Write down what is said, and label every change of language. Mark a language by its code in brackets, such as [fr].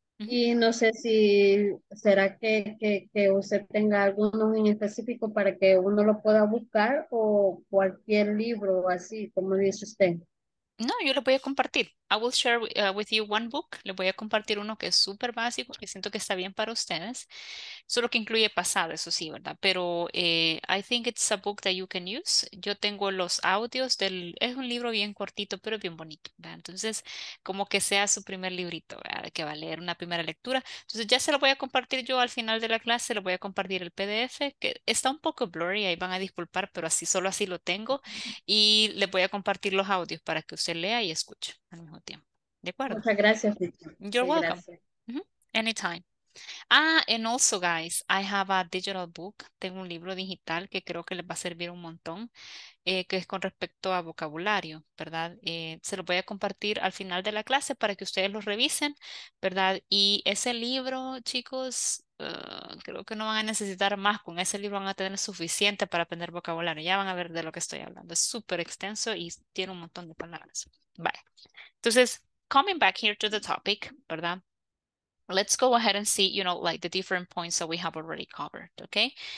[es] Y no sé si será que usted tenga alguno en específico para que uno lo pueda buscar o cualquier libro así, como dice usted. No, yo lo voy a compartir. [en] I will share with you one book. [es] Le voy a compartir uno que es súper básico, que siento que está bien para ustedes. Solo que incluye pasado, eso sí, ¿verdad? [en] Pero I think it's a book that you can use. [es] Yo tengo los audios del... Es un libro bien cortito, pero bien bonito, ¿verdad? Entonces, como que sea su primer librito, ¿verdad? Que va a leer una primera lectura. Entonces, ya se lo voy a compartir yo al final de la clase. Le voy a compartir el PDF, que está un poco blurry, ahí van a disculpar, pero así, solo así lo tengo. Y le voy a compartir los audios para que usted lea y escuche al mismo tiempo. ¿De acuerdo? Muchas gracias. [en] You're welcome. Gracias. Anytime. Ah, and also guys, I have a digital book. [es] Tengo un libro digital que creo que les va a servir un montón, que es con respecto a vocabulario, ¿verdad? Se lo voy a compartir al final de la clase para que ustedes lo revisen, ¿verdad? Y ese libro, chicos, creo que no van a necesitar más. Con ese libro van a tener suficiente para aprender vocabulario. Ya van a ver de lo que estoy hablando. Es súper extenso y tiene un montón de palabras. Vale. Entonces, [en] coming back here to the topic, ¿verdad? Let's go ahead and see, you know, like the different points that we have already covered, okay?